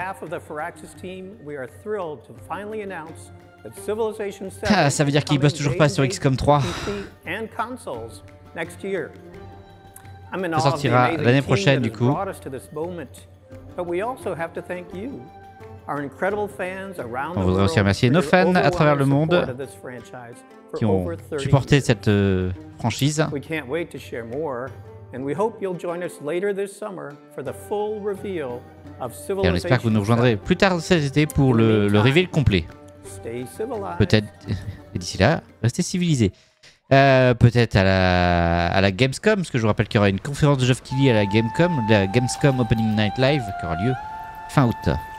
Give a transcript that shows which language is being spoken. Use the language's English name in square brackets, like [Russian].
[English] On behalf of the Firaxis team, we are thrilled to finally announce that Civilization 7. [French] Ah, ça veut dire qu'il bosse toujours pas sur XCOM 3. [English] And consoles next year. I'm in awe of the [French] l'année prochaine [English] team [French] du coup. [English] Brought us to this moment, but we also have to thank you. Our incredible fans around [French] on voudrait aussi remercier nos fans à travers le monde qui ont supporté cette franchise. [English] We can't wait to share more, and we hope you'll join us later this summer for the full reveal of Civilization. [French] Et on espère que vous nous rejoindrez plus tard cet été pour le reveal complet. [English] Stay civilized. [French] Peut-être et d'ici là, restez civilisés. Peut-être à la Gamescom, parce que je vous rappelle qu'il y aura une conférence de Geoff Keighley à la Gamescom Opening Night Live, qui aura lieu fin août.